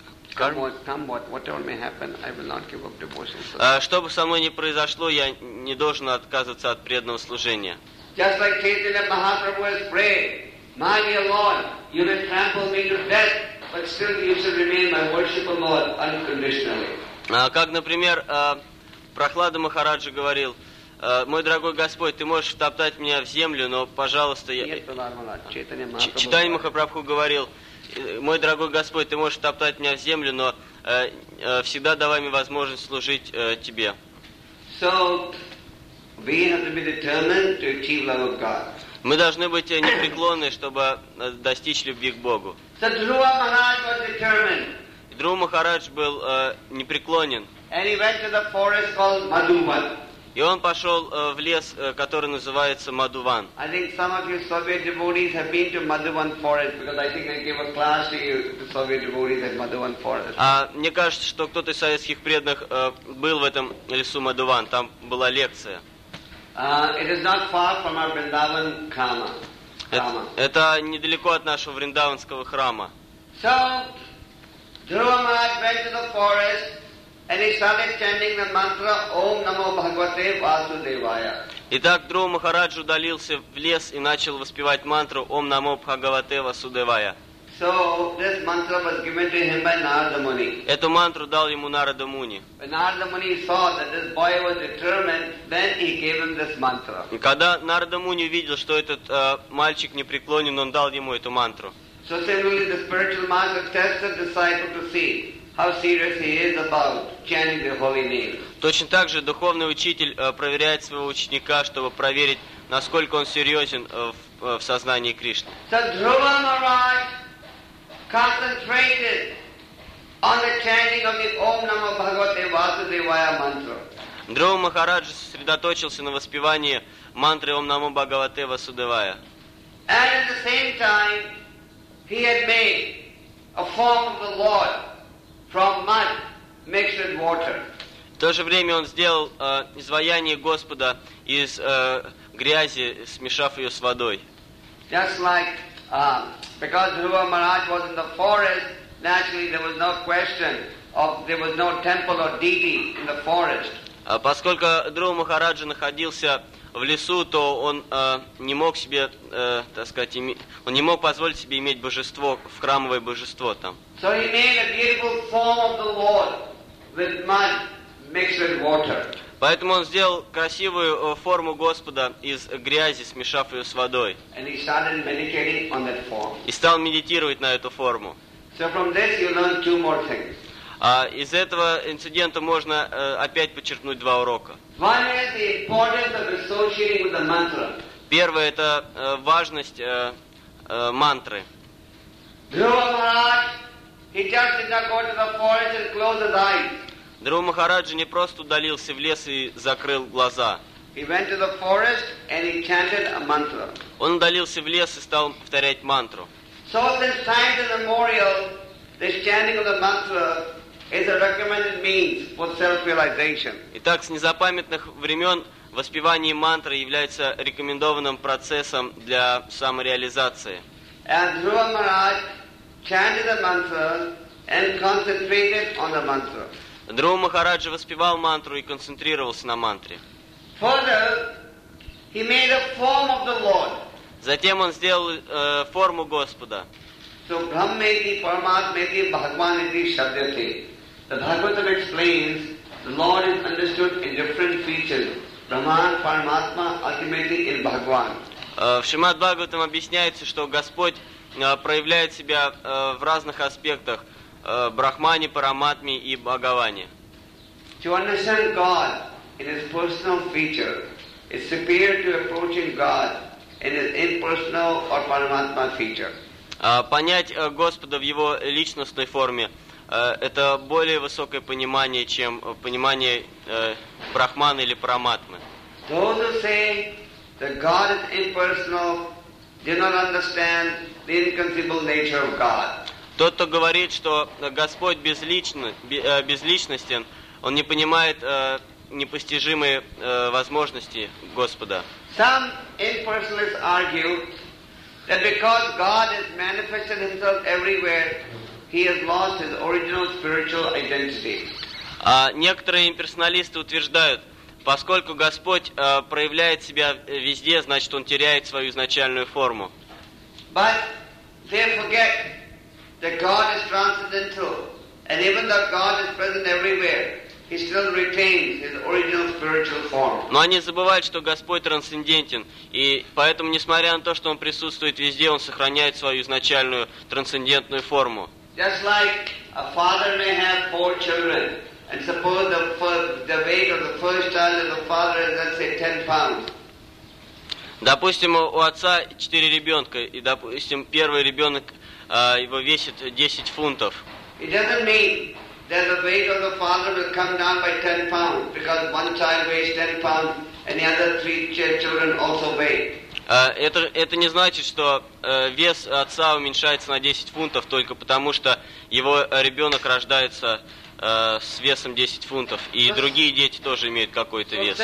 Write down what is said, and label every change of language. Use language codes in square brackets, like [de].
[ru] Что бы со мной ни произошло, я не должен отказываться от преданного служения. [en] Just like Chaitanya Mahaprabhu has prayed, my dear Lord, you may trample me to death, but still you should remain my worshipful Lord unconditionally. [ru] Как, например... Прохлада Махараджа говорил, мой дорогой Господь, ты можешь втоптать меня в землю, но, пожалуйста, я... Читание Махапрабху говорил, мой дорогой Господь, ты можешь втоптать меня в землю, но всегда давай мне возможность служить тебе. [en] So, we have to be determined to achieve love of God. [ru] Мы должны быть непреклонны, чтобы достичь любви к Богу. [en] So, Друва Махарадж was determined. [ru] Друва Махарадж был непреклонен. [en] And he went to the forest called Madhuvan. [ru] И он пошел в лес, который называется Мадхуван. [en] I think some of you Soviet devotees have been to Madhuvan forest because I think I gave a class to you to Soviet devotees at Madhuvan forest. [ru] А мне кажется, что кто-то из советских преданных был в этом лесу Мадхуван. Там была лекция. [en] It is not far from our Vrindavan Kama. [ru] Это недалеко от нашего Вриндаванского храма. [en] So Dhruva Maharaj went to the forest. And he started chanting the mantra Om Namo Bhagavate Vasudevaya. [ru] Итак, Друва Махарадж удалился в лес и начал воспевать мантру Om Namo Bhagavate Vasudevaya. [en] So this mantra was given to him by Narada Muni. [ru] Эту мантру дал ему Нарада Муни. [en] When Narada Muni saw that this boy was determined, then he gave him this mantra. [ru] И когда Нарада Муни увидел, что этот мальчик непреклонен, он дал ему эту мантру. [en] So similarly, the spiritual master tests the disciple to see how serious he is about chanting the holy name. [ru] Точно так же духовный учитель проверяет своего ученика, чтобы проверить, насколько он серьезен в сознании Кришны. [en] So Dhruva Maharaj concentrated on the chanting of the Om Namo Bhagavate Vasudevaya mantra. [ru] Dhruva Maharaj сосредоточился на воспевании мантры Om Namo Bhagavate Vasudevaya. [en] And at the same time, he had made a form of the Lord from mud mixed with water. [ru] В то же время он сделал изваяние Господа из грязи, смешав ее с водой. [en] Just like because Dhruva Maharaj was in the forest, naturally there was no question of there was no temple or deity in the forest. [ru] Поскольку Друва Махараджа находился в лесу, то он не мог себе, так сказать, он не мог позволить себе иметь божество, в храмовое божество там. [en] So he made a beautiful form of the Lord with mud mixed with water. [ru] Поэтому он сделал красивую форму Господа из грязи, смешав ее с водой. [en] And he started meditating on that form. [ru] И стал медитировать на эту форму. [en] So from this you learn two more things. [ru] Из этого инцидента можно опять подчеркнуть два урока. [en] One is the importance of associating with the mantra. [ru] Первое – это важность мантры. [en] Dhruva Maharaj, he just did not go to the forest and close his eyes. [ru] Dhruva Maharaj не просто удалился в лес и закрыл глаза. [en] He went to the forest and he chanted a mantra. [ru] Он удалился в лес и стал повторять мантру. [en] So this time the memorial, this chanting of the mantra is a recommended means for self-realization. [ru] Итак, с незапамятных времен воспевание мантры является рекомендованным процессом для самореализации. [en] And Dhruva Maharaj chanted the mantra and concentrated on the mantra. [ru] Dhruva Maharaj воспевал мантру и концентрировался на мантре. [en] Further, he made a form of the Lord. [ru] Затем он сделал форму Господа. [sa] So Brahmeti, Paramatmeti, Bhagwaneti, Shabdeti. [en] The Bhagavatam explains the Lord is understood in different features. Brahman, Paramatma, ultimately in Bhagavan. [ru] В Шримад Бхагаватам объясняется, что Господь проявляет себя в разных аспектах Брахмани, Параматми и Бхагавани. [en] To understand God in His personal feature is superior to approaching God in His impersonal or Paramatma feature. [ru] Понять Господа в Его личностной форме – это более высокое понимание, чем понимание Брахмана или Параматмы. [en] Those who say that God is impersonal do not understand the inconceivable nature of God. [ru] Тот, кто говорит, что Господь безличностен, он не понимает непостижимые возможности Господа. [en] Some impersonalists argue that because God has manifested Himself everywhere, He has lost His original spiritual identity. [ru] Некоторые имперсоналисты утверждают, поскольку Господь проявляет себя везде, значит, Он теряет свою изначальную форму. [en] But they forget that God is transcendental, and even though God is present everywhere, He still retains His original spiritual form. [ru] Но они забывают, что Господь трансцендентен, и поэтому, несмотря на то, что Он присутствует везде, Он сохраняет свою изначальную трансцендентную форму. [en] Just like a father may have four children, and suppose the weight of the first child is the father is, let's say, 10 pounds. [ru] Допустим, у отца 4 ребенка, и, допустим, первый ребенок его весит 10 фунтов. [en] It doesn't mean that the weight of the father will come down by 10 pounds, because one child weighs 10 pounds and the other three children also weigh. [ru] Это не значит, что вес отца уменьшается на 10 фунтов только потому, что его ребенок рождается с весом 10 фунтов, и другие дети тоже имеют какой-то вес.